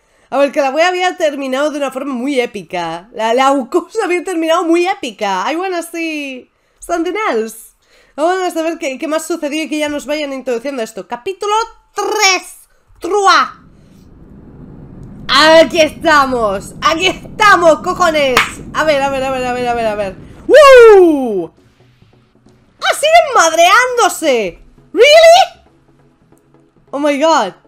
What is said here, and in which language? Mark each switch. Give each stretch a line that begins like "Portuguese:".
Spanish: A ver, que la wea había terminado de una forma muy épica. La cosa había terminado muy épica.
English: I wanna see something else.
Spanish: Vamos a ver qué más sucedió y que ya nos vayan introduciendo esto. Capítulo 3. Trua. Aquí estamos. Aquí estamos, cojones. A ver, a ver, a ver, a ver, a ver, a ver. ¡Woo! ¡Ah, siguen madreándose!
English: ¿Really? Oh my god.